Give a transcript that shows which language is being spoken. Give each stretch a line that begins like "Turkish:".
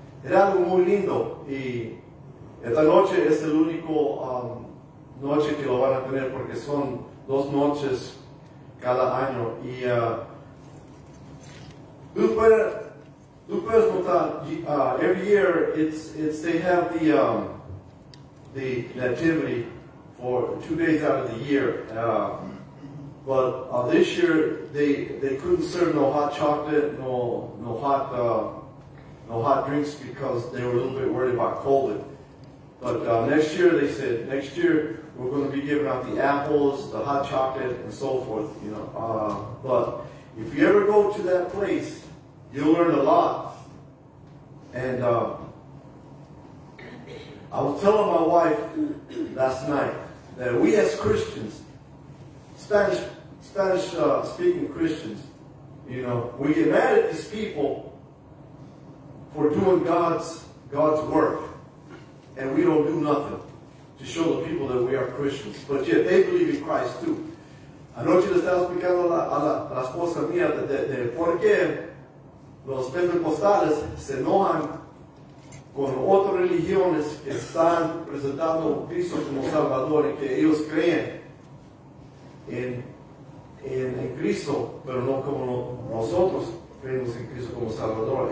Spanish: Era algo muy lindo, y esta noche es la única noche que lo van a tener, porque son dos noches cada año. Y tú puedes notar,
English: every year it's they have the nativity for 2 days out of the year. But this year they couldn't serve no hot chocolate, no hot drinks, because they were a little bit worried about COVID. But next year, they said, next year we're going to be giving out the apples, the hot chocolate, and so forth. You know, but if you ever go to that place, you'll learn a lot. And I was telling my wife last night that we as Christians, Spanish-speaking Christians, you know, we get mad at these people for doing God's work, and we don't do nothing to show the people that we are Christians. But yet they believe in Christ too.
Spanish: Anoche le estaba explicando a la esposa mía de por qué los pentecostales se enojan con otras religiones que están presentando a Cristo como Salvador, y que ellos creen en Cristo, pero no como nosotros creemos en Cristo como Salvador.